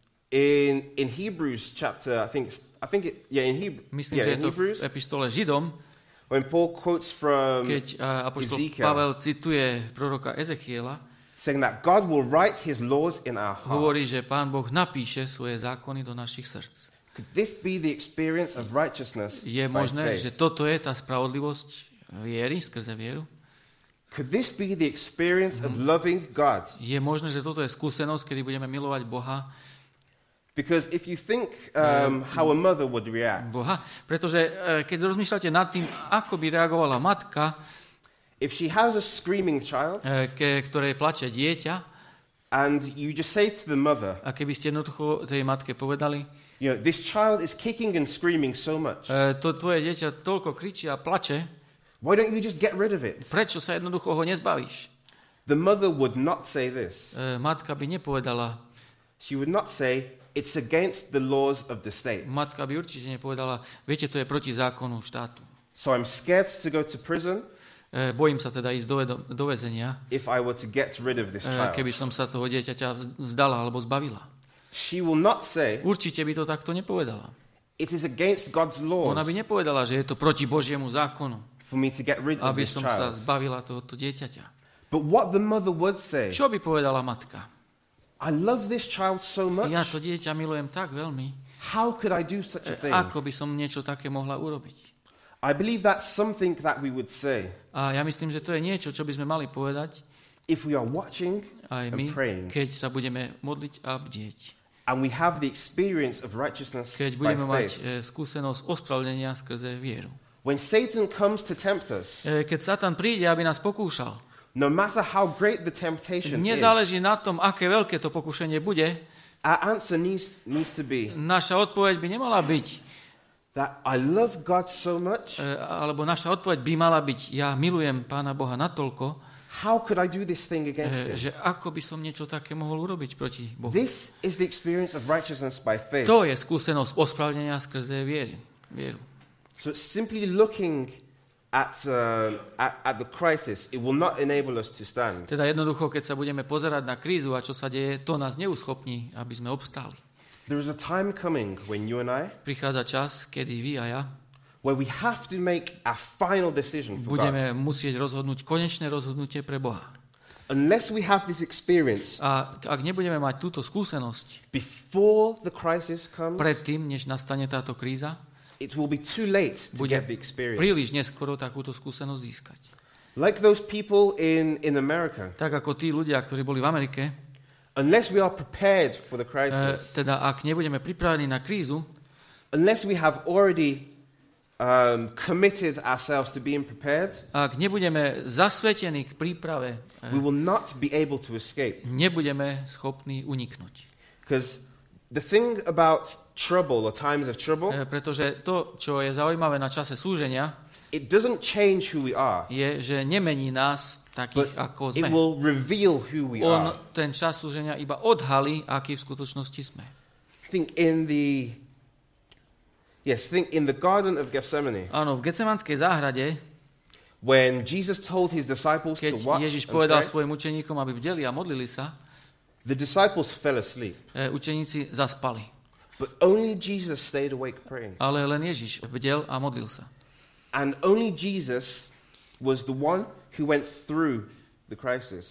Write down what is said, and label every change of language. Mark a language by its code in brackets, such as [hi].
[en] In Hebrews chapter, in Hebrews. [sk] V epistole Židom. [en] When Paul quotes from [sk] keď apoštol Pavel cituje proroka Ezechiela, [en] saying that God will write his laws in our hearts. [sk] Hovorí, že Pán Boh napíše svoje zákony do našich srdc. [en] Could this be the experience of righteousness? [sk] Je možné, že toto je tá spravodlivosť viery, skrze vieru? [en] Could this be the experience of loving God? [sk] Je možné, že toto je skúsenosť, kedy budeme milovať Boha? [en] Because if you think how a mother would react. [sk] Boha, pretože keď rozmýšľate nad tým, ako by reagovala matka, [en] if she has a screaming child, [sk] ktorej plače dieťa, [en] and you just say to the mother, [sk] a keby ste jednoducho tej matke povedali, [en] you know, this child is kicking and screaming so much, [sk] to tvoje dieťa toľko kričí a plače, [en] why don't you just get rid of it? [sk] Prečo sa jednoducho ho nezbavíš? [en] The mother would not say this. [sk] Matka by nepovedala. [en] She would not say it's against the laws of the state. [sk] Matka by určite nepovedala, viete, to je proti zákonu štátu. [en] So I'm scared to go to prison. [sk] Bojím sa teda ísť do väzenia. [en] If I were to get rid of this child. [sk] Keby som sa toho dieťaťa vzdala alebo zbavila. [en] She will not say. [sk] Určite by to takto nepovedala. [en] It is against God's laws. [sk] Ona by nepovedala, že je to proti Božiemu zákonu. [en] For me to get rid of this child. [sk] Aby som sa zbavila tohto dieťaťa. [en] But what the mother would say. [sk] Čo by povedala matka? [en] I love this child so much. [sk] Ja to dieťa milujem tak veľmi. [en] How could I do such a thing? [sk] Ako by som niečo také mohla urobiť? [en] I believe that's something that we would say. [sk] A ja myslím, že to je niečo, čo by sme mali povedať. [en] If we are watching [sk] aj my, [en] and praying. [sk] Keď sa budeme modliť a bdieť. [en] And we have the experience of righteousness by faith. [sk] Keď budeme mať skúsenosť ospravedlnenia skrze vieru. [en] When Satan comes to tempt us. [sk] Keď Satan príde, aby nás pokúšal. [en] No matter how great the temptation is. [sk] Nezáleží na tom, aké veľké to pokušenie bude. [en] Our answer needs to be. [sk] Naša odpoveď by nemala byť. [en] That I love God so much. [sk] Alebo naša odpoveď by mala byť, ja milujem Pána Boha natoľko. [en] How could I do this thing against him? [sk] Že ako by som niečo také mohol urobiť proti Bohu? [en] This is the experience of righteousness by faith. [sk] To je skúsenosť ospravedlnenia skrze vieru. [en] So simply looking at the crisis, it will not enable us to stand. [sk] Teda jednoducho, keď sa budeme pozerať na krízu a čo sa deje, to nás neuschopní, aby sme obstáli. [en] There is a time coming when you and I. [sk] Prichádza čas, kedy vy a ja. [en] Where we have to make a final decision for God. [sk] Budeme musieť rozhodnúť konečné rozhodnutie pre Boha. [en] Unless we have this experience. [sk] A ak nebudeme mať túto skúsenosť. [en] Before the crisis comes. [sk] Predtým, než nastane táto kríza. [en] It will be too late to get the experience. [sk] Príliš neskoro takúto skúsenosť získať. [en] Like those people in America. [sk] Tak ako tí ľudia, ktorí boli v Amerike. [en] Unless we are prepared for the crisis. [sk] Teda ak nebudeme pripravení na krízu. [en] Unless we have already committed ourselves to being prepared. [sk] Ak nebudeme zasvetení k príprave. [en] We will not be able to escape. [sk] Nebudeme schopní uniknúť. [en] Because the thing about trouble or times of trouble. [sk] Pretože to, čo je zaujímavé na čase súženia. [en] It doesn't change who we are. [sk] Je, že nemení nás takých, ako sme. [en] It will reveal who we on are. [sk] Ten čas súženia iba odhalí, aký v skutočnosti sme. [en] Think in the garden of Gethsemane. [sk] Áno, v Getsemanskej záhrade. [en] When Jesus told his disciples to watch. [sk] Keď Ježiš povedal svojim učeníkom, aby bdeli a modlili sa. [en] The disciples fell asleep. [sk] Učeníci zaspali. [en] But only Jesus stayed awake praying. [sk] Ale len Ježiš bdel a modlil sa. [en] And only Jesus was the one who went through the crisis.